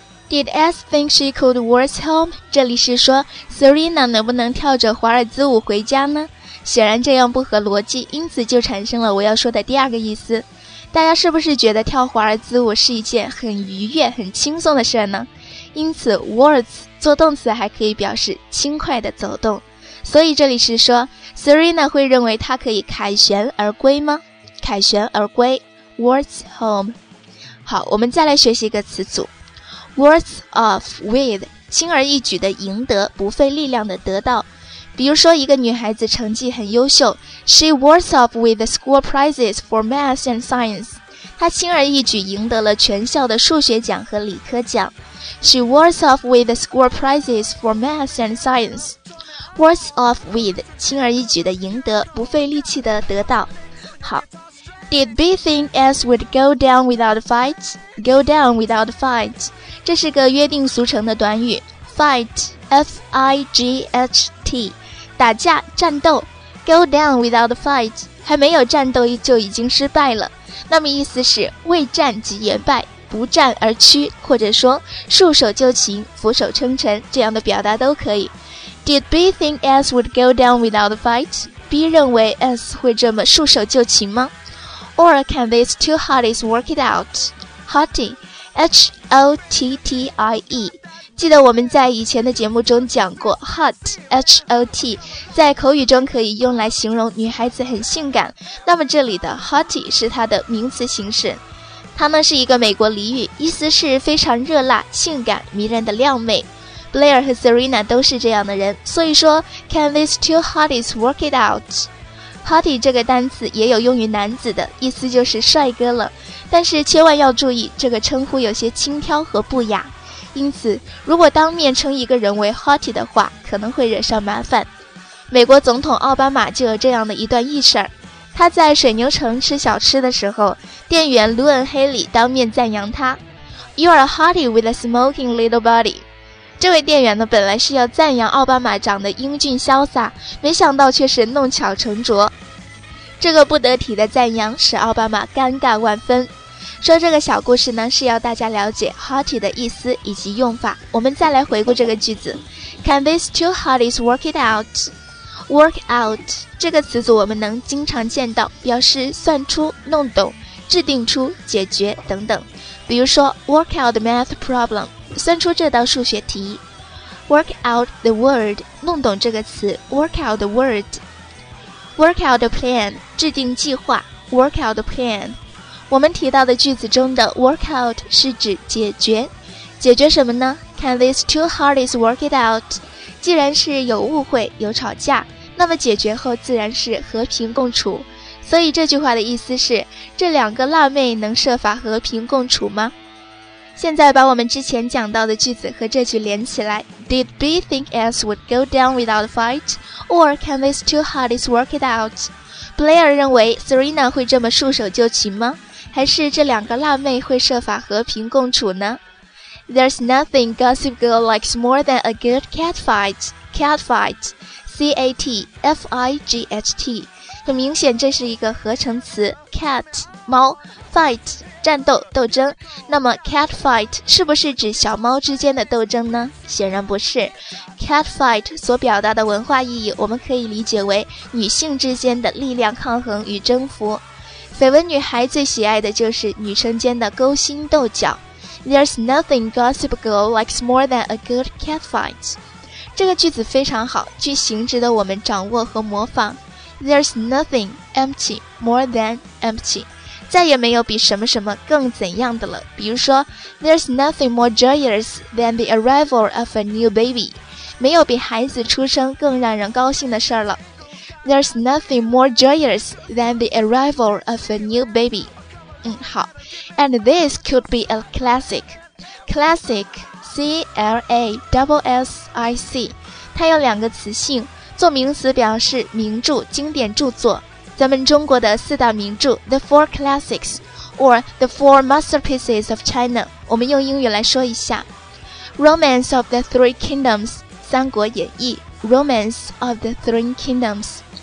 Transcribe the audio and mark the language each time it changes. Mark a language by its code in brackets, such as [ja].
[en] Did S think she could waltz home? [zh] 这里是说 Serena 能不能跳着华尔兹舞回家呢？显然这样不合逻辑，因此就产生了我要说的第二个意思。大家是不是觉得跳华尔兹舞是一件很愉悦、很轻松的事呢？因此 waltz 做动词还可以表示轻快的走动。所以这里是说 Serena 会认为她可以凯旋而归吗？凯旋而归， waltz home。好，我们再来学习一个词组， waltz off with， 轻而易举的赢得，不费力量的得到。比如说一个女孩子成绩很优秀， [en] She waltz off with the school prizes for math and science. [zh] 她轻而易举赢得了全校的数学奖和理科奖。 [en] She waltz off with the school prizes for math and science. [zh] Waltz off with， 轻而易举的赢得，不费力气的得到。 [en] 好， Did B think S would go down without a fight? [zh] Go down without a fight， 这是个约定俗成的短语， Fight F-I-G-H-T， 打架、战斗。 Go down without a fight， 还没有战斗就已经失败了，那么意思是未战即言败，不战而屈，或者说束手就擒、俯首称臣，这样的表达都可以。 [en] Did B think S would go down without a fight? [zh] B 认为 S 会这么束手就擒吗？ [en] Or can these two hotties work it out? Hottie H-O-T-T-I-E， [zh] 记得我们在以前的节目中讲过 hot H-O-T 在口语中可以用来形容女孩子很性感，那么这里的 hottie 是它的名词形式，它呢是一个美国俚语，意思是非常热辣性感迷人的靓妹。 Blair 和 Serena 都是这样的人，所以说 [en] Can these two hotties work it out？ [zh] Hottie 这个单词也有用于男子的，意思就是帅哥了，但是千万要注意，这个称呼有些轻佻和不雅，因此如果当面称一个人为 Hottie 的话，可能会惹上麻烦。美国总统奥巴马就有这样的一段轶事儿，他在水牛城吃小吃的时候，店员卢恩·黑里当面赞扬他 [en] You are a hottie with a smoking little body。 [zh] 这位店员呢，本来是要赞扬奥巴马长得英俊潇洒，没想到却是弄巧成拙。这个不得体的赞扬使奥巴马尴尬万分。说这个小故事呢，是要大家了解 hottie 的意思以及用法。我们再来回顾这个句子 ： [en] Can these two hotties work it out？ [zh] Work out 这个词组我们能经常见到，表示算出、弄懂、制定出、解决等等。比如说 ， [en] work out the math problem。 [zh] 算出这道数学题 Work out the word 弄懂这个词 Work out the word Work out the plan 制定计划 Work out the plan 我们提到的句子中的 work out 是指解决，解决什么呢？ [en] Can these two hotties work it out? [zh] 既然是有误会有吵架，那么解决后自然是和平共处，所以这句话的意思是这两个辣妹能设法和平共处吗？现在把我们之前讲到的句子和这句连起来 [en] Did B think S would go down without a fight? Or can these two hotties work it out? [zh] Blair 认为 Serena 会这么束手就擒吗？还是这两个辣妹会设法和平共处呢？ [en] There's nothing Gossip Girl likes more than a good catfight. [zh] Catfight C-A-T-F-I-G-H-T 很明显这是一个合成词 Cat 猫 Fight战斗、斗争，那么 cat fight 是不是指小猫之间的斗争呢？显然不是。 cat fight 所表达的文化意义，我们可以理解为女性之间的力量抗衡与征服。绯闻女孩最喜爱的就是女生间的勾心斗角。 [en] There's nothing Gossip Girl likes more than a good cat fight。 [zh] 这个句子非常好，句型值得我们掌握和模仿。 [en] There's nothing empty more than empty。 [zh] 再也没有比什么什么更怎样的了，比如说 [en] There's nothing more joyous than the arrival of a new baby， [zh] 没有比孩子出生更让人高兴的事了。 [en] There's nothing more joyous than the arrival of a new baby。 [zh] 好， [en] And this could be a classic. [zh] Classic C-L-A-S-S-I-C 它有两个词性，做名词表示名著、经典著作，咱们中国的四大名著 [en] The Four Classics or The Four Masterpieces of China， [zh] 我们用英语来说一下 Romance of the Three Kingdoms 三国演义 Romance of the Three Kingdoms